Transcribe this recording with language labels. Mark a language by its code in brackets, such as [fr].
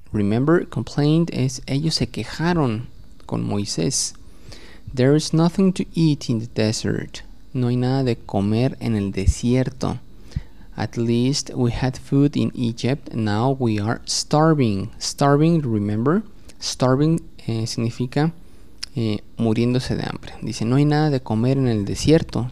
[en] Remember, complained [es] es ellos se quejaron con Moisés. [en] There is nothing to eat in the desert. [es] No hay nada de comer en el desierto. [en] At least we had food in Egypt. Now we are starving. Starving, remember? Starving [es] significa muriéndose de hambre. Dice, no hay nada de comer en el desierto.